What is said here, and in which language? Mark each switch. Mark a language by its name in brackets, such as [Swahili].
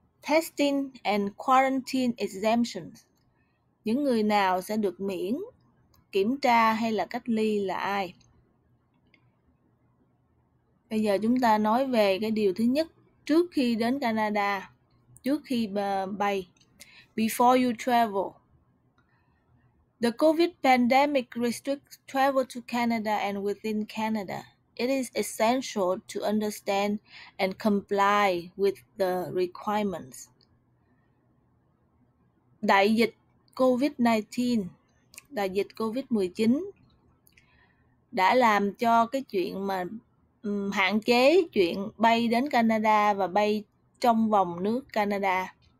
[English] Testing and quarantine exemptions, [Vietnamese] những người nào sẽ được miễn kiểm tra hay là cách ly là ai? Bây giờ chúng ta nói về cái điều thứ nhất trước khi đến Canada, trước khi bay. [English] Before you travel, the COVID pandemic restricts travel to Canada and within Canada. It is essential to understand and comply with the requirements. [Vietnamese] Đại dịch COVID-19, đại dịch COVID-19 đã làm cho cái chuyện mà hạn chế chuyện bay đến Canada và bay trong vòng nước Canada.